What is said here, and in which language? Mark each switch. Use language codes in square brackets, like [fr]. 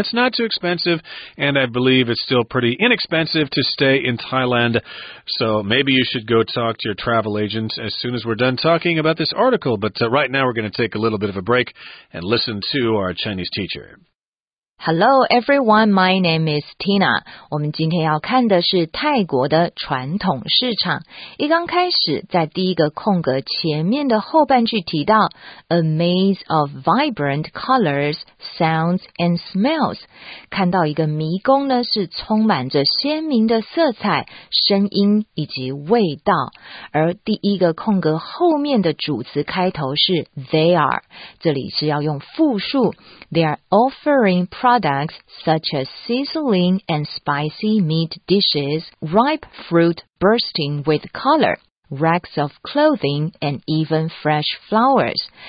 [en] It's not too expensive, and I believe it's still pretty inexpensive. Expensive to stay in Thailand, so maybe you should go talk to your travel agent as soon as we're done talking about this article. But right now we're going to take a little bit of a break and listen to our Chinese teacher. Hello everyone, my name is Tina. [zh] 我们今天要看的是泰国的传统市场。一刚开始在第一个空格前面的后半句提到 [en] A maze of vibrant colors, sounds and smells. [zh] 看到一个迷宫呢是充满着鲜明的色彩、声音以及味道。而第一个空格后面的主词开头是 [en] they are, [zh] 这里是要用复数 [en] they are offeringproducts such as sizzling and spicy meat dishes, ripe fruit bursting with color, racks of clothing, and even fresh flowers.